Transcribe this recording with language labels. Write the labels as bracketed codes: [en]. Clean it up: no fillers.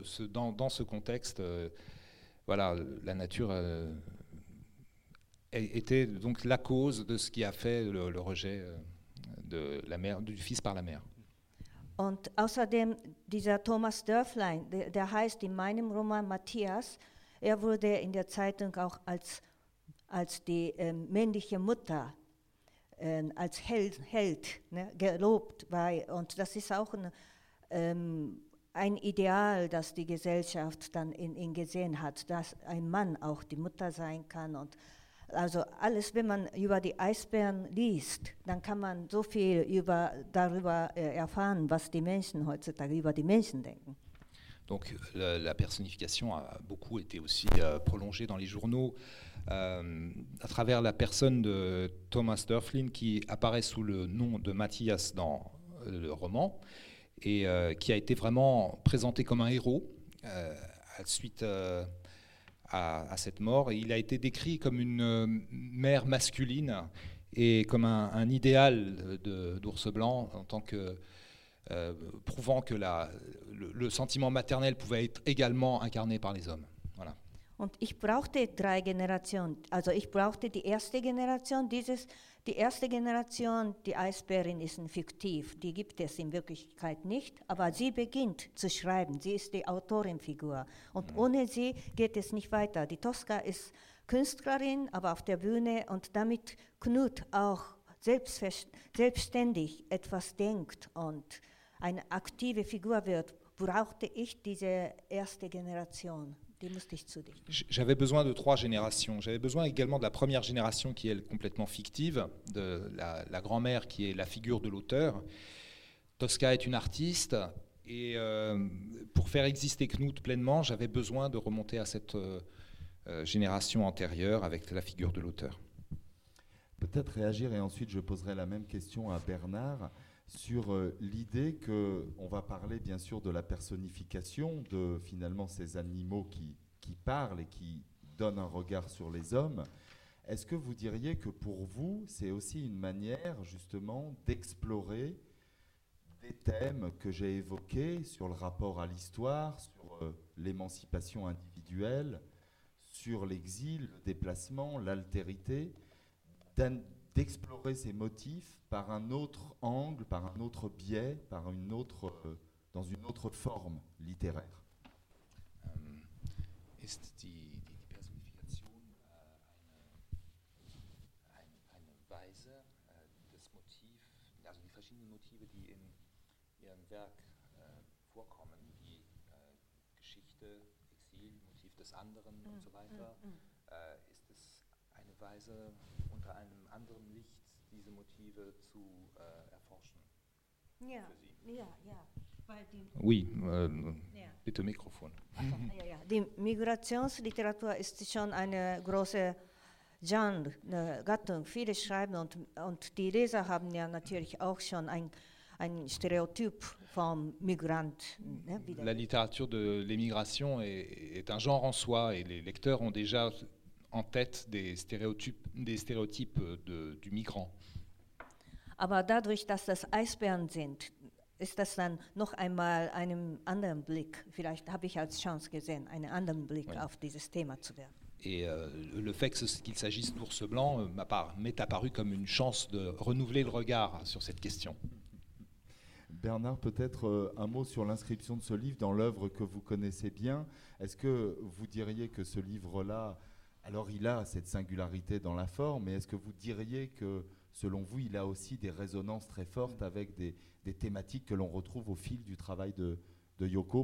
[fr] dans ce contexte, voilà, la nature était donc la cause de ce qui a fait le rejet de la mère, du fils par la mère. [de] Und außerdem dieser Thomas Dörflein, der heißt in meinem Roman Matthias, wurde in der Zeitung auch als die männliche Mutter, als Held, ne, gelobt, weil, und das ist auch ein Ideal, das die Gesellschaft dann in gesehen hat, dass ein Mann auch die Mutter sein kann. Und also alles, wenn man über die Eisbären liest, dann kann man so viel darüber erfahren, was die Menschen heutzutage über die Menschen denken. [fr] Donc la personnification a beaucoup été aussi prolongée dans les journaux à travers la personne de Thomas Dörflin qui apparaît sous le nom de Matthias dans le roman. Et qui a été vraiment présenté comme un héros suite à cette mort. Et il a été décrit comme une mère masculine et comme un idéal d'ours blanc, en tant que prouvant que le sentiment maternel pouvait être également incarné par les hommes. Voilà. [de] Und ich brauchte drei Generationen. Also ich brauchte die erste Generation. Die erste Generation, die Eisbärin, ist ein Fiktiv. Die gibt es in Wirklichkeit nicht. Aber sie beginnt zu schreiben. Sie ist die Autorenfigur. Und ohne sie geht es nicht weiter. Die Tosca ist Künstlerin, aber auf der Bühne. Und damit Knut auch selbstständig etwas denkt und eine aktive Figur wird, brauchte ich diese erste Generation. [fr] J'avais besoin de trois générations. J'avais besoin également de la première génération qui est complètement fictive, de la grand-mère qui est la figure de l'auteur. Tosca est une artiste et pour faire exister Knut pleinement, j'avais besoin de remonter à cette génération antérieure avec la figure de l'auteur. Peut-être réagir et ensuite je poserai la même question à Bernard sur l'idée qu'on va parler bien sûr de la personnification de finalement ces animaux qui parlent et qui donnent un regard sur les hommes. Est-ce que vous diriez que pour vous, c'est aussi une manière justement d'explorer des thèmes que j'ai évoqués sur le rapport à l'histoire, sur l'émancipation individuelle, sur l'exil, le déplacement, l'altérité, d'explorer ces motifs par un autre angle, par un autre biais, par une autre, dans une autre forme littéraire. [de] Ist die Personifikation eine Weise, das Motiv, also die verschiedenen Motive, die in ihrem Werk vorkommen, die Geschichte, Exil, Motiv des anderen und so weiter, ist es eine Weise, unter einem anderen Licht diese Motive zu erforschen. Ja, ja, ja. [fr] Oui, [de] bitte Mikrofon. Die Migrationsliteratur ist schon eine große Genre, eine Gattung. Viele schreiben und die Leser haben ja natürlich auch schon ein Stereotyp vom Migrant. Ne, [fr] la littérature de l'émigration est un genre en soi et les lecteurs ont déjà en tête des stéréotypes du migrant. [de] Aber dadurch, dass das Eisbären sind, ist das dann noch einmal einen anderen Blick. Vielleicht habe ich als Chance gesehen, einen anderen Blick oui. auf dieses Thema zu werfen. [fr] Et le fait qu'il s'agisse d'ours blanc m'est apparu comme une chance de renouveler le regard sur cette question. Bernard, peut-être un mot sur l'inscription de ce livre dans l'œuvre que vous connaissez bien. Est-ce que vous diriez que ce livre-là, alors il a cette singularité dans la forme, mais est-ce que vous diriez que, selon vous, il a aussi des résonances très fortes avec des thématiques que l'on retrouve au fil du travail de Yoko?